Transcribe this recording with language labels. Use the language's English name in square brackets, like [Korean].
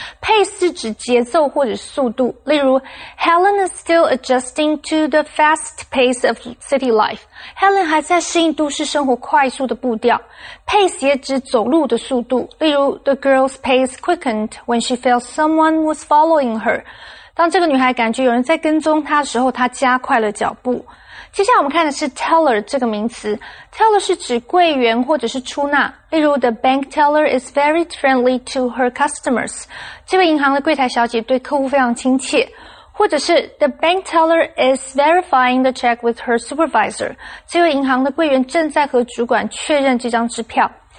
[Chinese] Pace 是指节奏或者速度。例如 [English] ,Helen is still adjusting to the fast pace of city life. [Chinese] Helen 还在适应都市生活快速的步调。Pace 也指走路的速度。例如 [English] ,the girl's pace quickened when she felt someone was following her. [Chinese] 当这个女孩感觉有人在跟踪她的时候她加快了脚步。接下来我们看的是 teller 这个名词。teller 是指柜员或者是出纳。例如 [English] ,the bank teller is very friendly to her customers. [Chinese] 这位银行的柜台小姐对客户非常亲切。或者是 [English] ,the bank teller is verifying the check with her supervisor. [Chinese] 这位银行的柜员正在和主管确认这张支票。